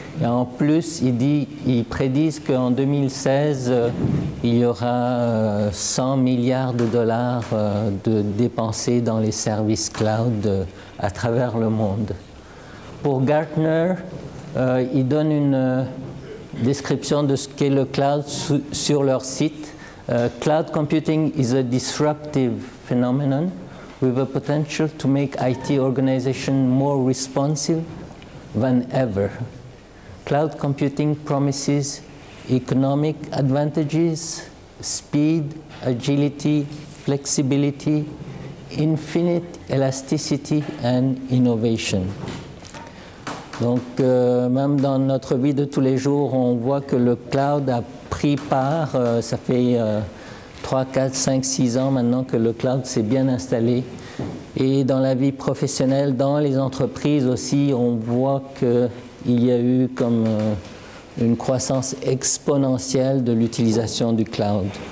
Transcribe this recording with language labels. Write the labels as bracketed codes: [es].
[fr] Et en plus, ils prédisent qu'en 2016, il y aura 100 milliards de dollars de dépensés dans les services cloud à travers le monde. Pour Gartner, ils donnent une description de ce qu'est le cloud sur leur site. [en] Cloud computing is a disruptive phenomenon with a potential to make IT organizations more responsive than ever. Cloud computing promises economic advantages, speed, agility, flexibility, infinite elasticity and innovation. [fr] Donc, même dans notre vie de tous les jours, on voit que le cloud a pris part. Ça fait 3, 4, 5, 6 ans maintenant que le cloud s'est bien installé. Et dans la vie professionnelle, dans les entreprises aussi, on voit qu'il y a eu comme une croissance exponentielle de l'utilisation du cloud.